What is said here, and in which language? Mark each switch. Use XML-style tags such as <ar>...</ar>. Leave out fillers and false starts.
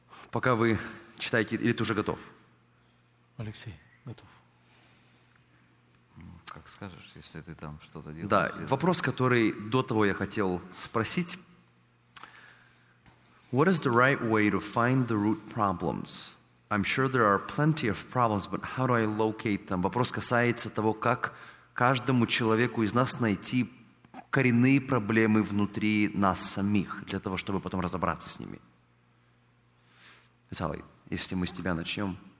<ru>Пока вы читаете, или ты уже готов? Алексей, готов. Как скажешь, если ты там что-то делаешь. Да, вопрос, который до того я хотел спросить.</ru> <en>What is the right way to find the root problems? I'm sure there are plenty of problems, but how do I locate them?</en> <ru>Вопрос касается того, как каждому человеку из нас найти коренные проблемы внутри нас самих, для того, чтобы потом разобраться с ними. Виталий, если мы с тебя начнем.</ru>